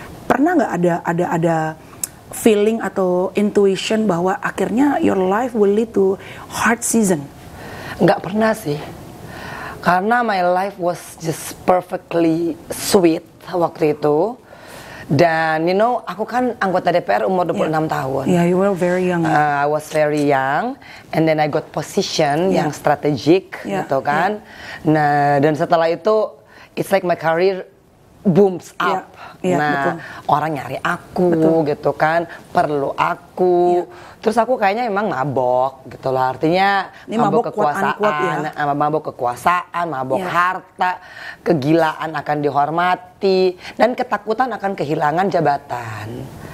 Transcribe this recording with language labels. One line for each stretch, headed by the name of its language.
Indonesian: Pernah nggak ada feeling atau intuition bahwa akhirnya
English: your life will lead to hard season?
Indonesian: Nggak pernah sih, karena
English: my life was just perfectly sweet
Indonesian: waktu itu. Dan
English: you know,
Indonesian: aku kan anggota DPR umur 26 tahun.
English: Yeah, you were very young. I was very young, and then I got position yang strategic gitu kan.
Indonesian: Nah, dan setelah itu,
English: it's like my career booms up.
Indonesian: Orang nyari aku gitu kan, perlu aku. Terus aku kayaknya emang mabok gitu lah, artinya ini mabok kekuasaan, mabok kekuasaan, mabok harta, kegilaan akan dihormati, dan ketakutan akan kehilangan jabatan.